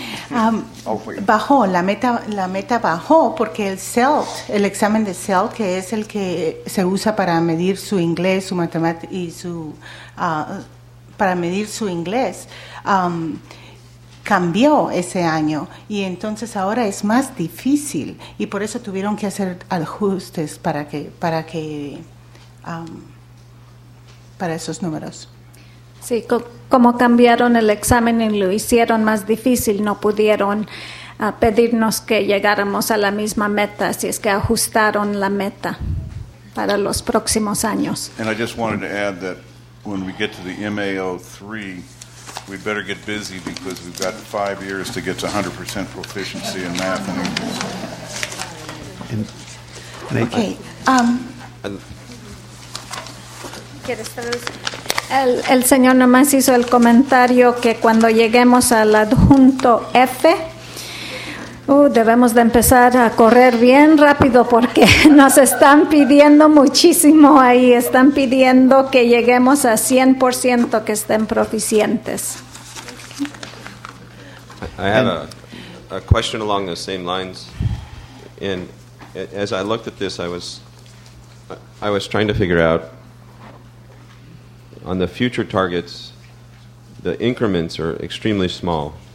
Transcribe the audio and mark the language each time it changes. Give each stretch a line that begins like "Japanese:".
Spanish: Bajó, la meta bajó porque el CELT, el examen de CELT, que es el que se usa para medir su inglés, su matemática y su para medir su inglés, cambió ese año y entonces ahora es más difícil y por eso tuvieron que hacer ajustes para esos números. Sí, como cambiaron el examen y lo hicieron más difícil, no pudieron pedirnos que llegáramos a la misma meta, así es que ajustaron la meta para los próximos años.
English: And I just wanted to add that when we get to the MAO3, we'd better get busy because we've got 5 years to get to 100% proficiency in math and English.
Spanish: El señor nomás hizo el comentario que cuando lleguemos al adjunto F, debemos de empezar a correr bien rápido porque nos están pidiendo muchísimo ahí. Están pidiendo que lleguemos a 100% que estén proficientes.
English: I have a question along those same lines. And as I looked at this, I was trying to figure out on the future targets, the increments are extremely small.